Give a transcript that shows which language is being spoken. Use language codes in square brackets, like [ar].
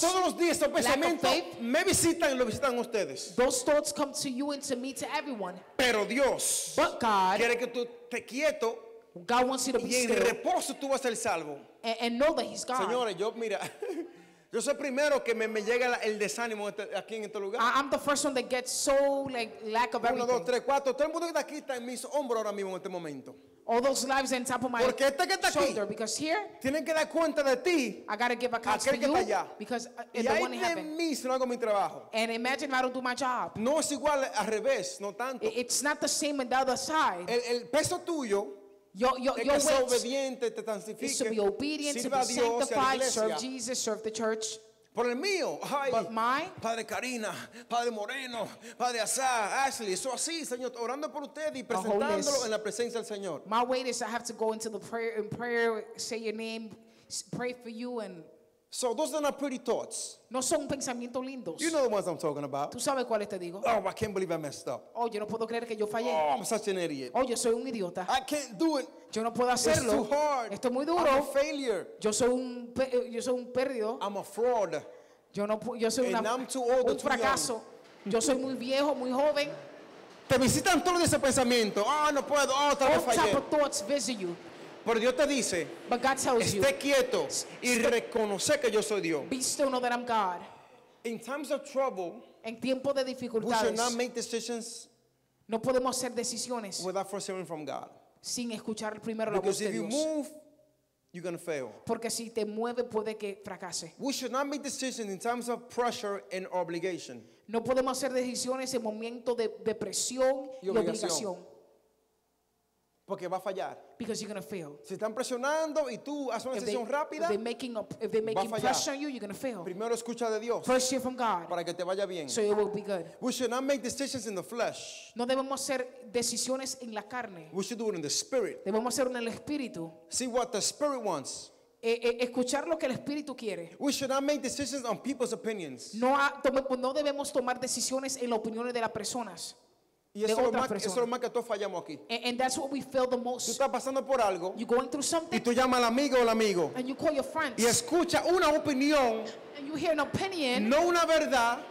[es] Todos los días esos pensamientos me visitan y lo visitan ustedes. [en] Those thoughts come to you and to me, to everyone. [es] Pero Dios. [en] But God. [es] Quiere que tú te quieto. [en] God wants you to be still. [es] Y en reposo tú vas a ser salvo. [en] And know that he's God. [es] Señores, yo mira. Yo soy primero que me llega el desánimo aquí en este lugar. [en] I'm the first one that gets so like lack of everything. [es] Uno, dos, tres, cuatro. Todo el mundo que está aquí está en mis hombros ahora mismo en este momento. [en] All those lives on top of my [es] Porque este que está aquí, [en] shoulder because here [es] tienen que dar cuenta de ti, [en] I got to give account [es] aquel [en] to you [es] que está [en] because the one in heaven. [es] Mí, si no hago mi trabajo. [en] And imagine if I don't do my job. [es] No es igual al revés, no tanto. [en] It's not the same on the other side. [es] El peso tuyo [en] your weight is to be obedient, to be sanctified, serve Jesus, serve the church. [es] Por el mío, ay, [en] but my [es] Padre Karina, Padre Moreno, Padre Azar, Ashley, eso así, Señor, orando por usted y presentándolo en la presencia del Señor. [en] My weight is I have to go into the prayer and prayer, say your name, pray for you and. So those are not pretty thoughts. [es] No son pensamientos lindos. [en] You know the ones I'm talking about. [es] ¿Tú sabes cuáles te digo? [en] Oh, I can't believe I messed up. [es] Oh, yo no puedo creer que yo fallé. [en] Oh, I'm such an idiot. [es] Oh, yo soy un idiota. [en] I can't do it. [es] Yo no puedo hacerlo. [en] It's too hard. [es] Esto es muy duro. [en] I'm a failure. [es] Yo soy un perdido. [en] I'm a fraud. [es] Yo soy [en] too old, [es] un fracaso. [en] Young. [es] Yo soy muy viejo, muy joven. Te visitan todos esos pensamientos. Ah, oh, no puedo. Oh, otra vez fallé. [en] All types of thoughts visit you. [es] Pero Dios te dice, [en] but God tells [es] esté [en] you, [es] esté quieto y reconoce que yo soy Dios. [en] Be still, know that I'm God. In times of trouble, [es] en tiempo de dificultades, [en] we should not make decisions. [es] No podemos hacer decisiones [en] without first hearing from God. [es] Sin escuchar primero [en] Because [es] la voz de Dios. [en] Because if you move, you're gonna fail. [es] Porque si te mueve puede que fracase. [en] We should not make decisions in times of pressure and obligation. [es] No podemos hacer decisiones en momento de presión y obligación. Porque va a fallar. [en] Because you're gonna fail. [es] Si están presionando y tú haces una decisión rápida, [en] if they're making pressure on you, you're gonna fail. [es] Primero escucha de Dios. [en] First hear from God. [es] Para que te vaya bien. [en] So it will be good. We should not make decisions in the flesh. [es] No debemos hacer decisiones en la carne. [en] We should do it in the spirit. [es] Debemos hacerlo en el espíritu. [en] See what the spirit wants. [es] Escuchar lo que el espíritu quiere. [en] We should not make decisions on people's opinions. [es] No debemos tomar decisiones en las opiniones de las personas. Y eso es lo más que todos fallamos aquí. [en] And that's what we fail the most. [es] Tú estás pasando por algo. [en] You're going through something. [es] Y tú llamas al amigo o al amigo. [en] And you call your friends. [es] Y escucha una opinión. [en] And you hear an opinion. [es] No una verdad.